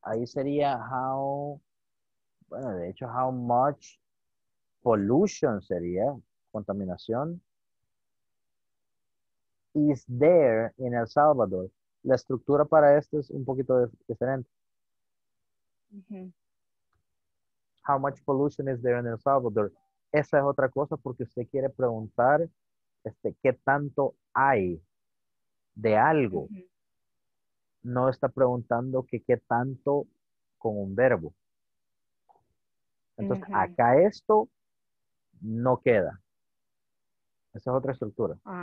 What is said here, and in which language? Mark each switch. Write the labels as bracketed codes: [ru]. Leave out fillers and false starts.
[es] Ahí sería how, bueno, de hecho, [en] how much pollution [es] sería, contaminación. [en] Is there in El Salvador? [es] La estructura para esto es un poquito diferente. [en] How much pollution is there in El Salvador? [es] Esa es otra cosa porque usted quiere preguntar qué tanto hay de algo. No está preguntando qué tanto con un verbo. Entonces, acá esto no queda. Esa es otra estructura.